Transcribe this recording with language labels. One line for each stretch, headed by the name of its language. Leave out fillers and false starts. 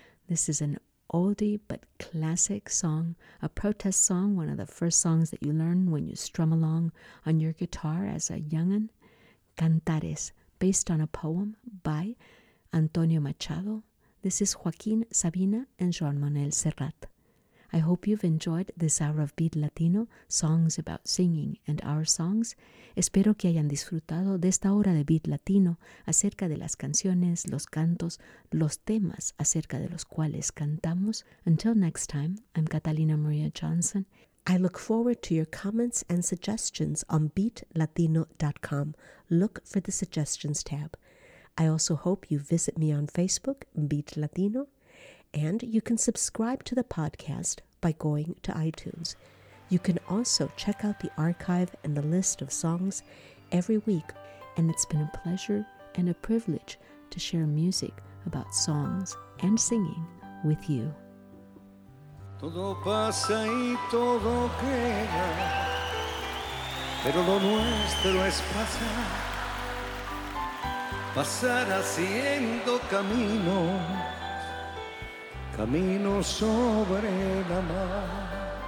English: This is an oldie but classic song, a protest song, one of the first songs that you learn when you strum along on your guitar as a young'un. Cantares, based on a poem by Antonio Machado. This is Joaquín Sabina and Joan Manuel Serrat. I hope you've enjoyed this hour of Beat Latino, songs about singing and our songs.
Spanish: Espero que hayan disfrutado de esta hora de Beat Latino acerca de las canciones, los cantos, los temas acerca de los cuales cantamos.
English: Until next time, I'm Catalina Maria Johnson. I look forward to your comments and suggestions on beatlatino.com. Look for the suggestions tab. I also hope you visit me on Facebook, Beat Latino, and you can subscribe to the podcast by going to iTunes. You can also check out the archive and the list of songs every week. and it's been a pleasure and a privilege to share music about songs and singing with you.
Spanish: Todo pasa y todo queda, pero lo nuestro es pasar, pasar haciendo camino, camino sobre la mar.